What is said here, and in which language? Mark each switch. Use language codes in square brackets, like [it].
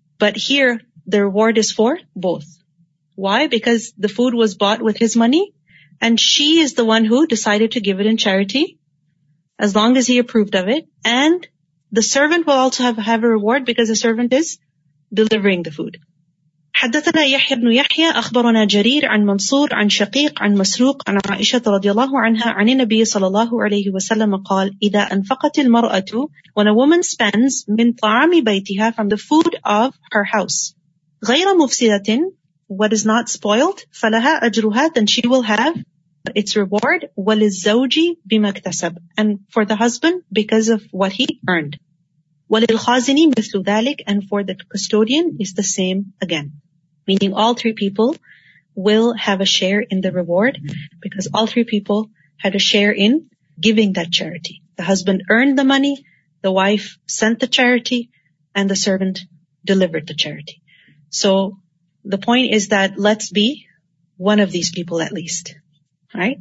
[en] But here, the reward is for both. Why? Because the food was bought with his money, and she is the one who decided to give it in charity, as long as he approved of it. And the servant will also have a reward because the servant is delivering the food. [ar] حدثنا يحيى بن يحيى أخبرنا جرير عن منصور عن شقيق عن مسروق عن عائشة رضي الله عنها عن النبي صلى الله عليه وسلم قال إذا أنفقت المرأة [en] when a woman spends [ar] من طعام بيتها [en] from the food of her house [ar] غير مفسدة [en] what is not spoiled [ar] فلها أجرها [en] then she will have its reward [ar] وللزوج بما اكتسب [en] and for the husband because of what he earned [ar] وَلِلْخَازِنِ مِثْلُ ذَلِكَ [en] and for the custodian is the same again. Meaning all 3 people will have a share in the reward because all 3 people had a share in giving that charity. The husband earned the money, the wife sent the charity, and the servant delivered the charity. So the point is that let's be one of these people at least, right?